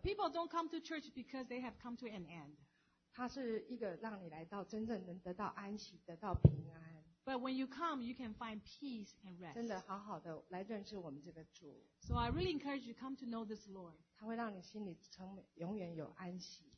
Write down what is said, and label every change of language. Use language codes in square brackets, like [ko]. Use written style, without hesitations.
[en] People don't come to church because they have come to an end. [zh] 它是一个让你来到真正能得到安息得到平安。 [en] But when you come, you can find peace and rest. [zh] 真的好好的来认识我们这个主。 [en] So I really encourage you to come to know this Lord. [zh] 它会让你心里成永远有安息。